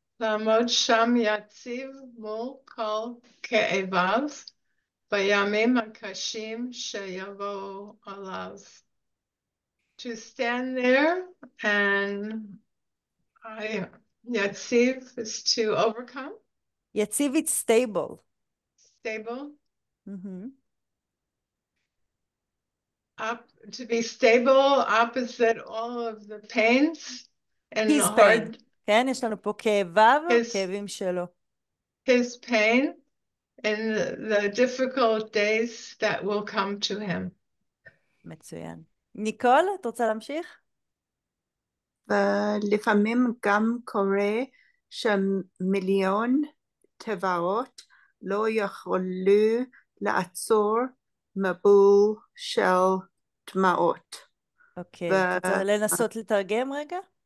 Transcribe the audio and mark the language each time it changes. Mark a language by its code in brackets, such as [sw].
[he] לעמוד שם יציב מול כל כאביו בימים הקשים שיבואו עליו. [en] To stand there and יציב is to overcome. יציב it's stable. Stable. Mm-hmm. To be stable opposite all of the pains and his hard. Pain. [he] כן, יש לנו פה כאביו, כאבים שלו. [en] His pain in the difficult days that will come to him. [he] מצוין. ניקול, את רוצה להמשיך? לפעמים גם קורה שמיליון תבעות לא יכולו לעצור מבול של דמעות. אוקיי, את רוצה לנסות לתרגם רגע?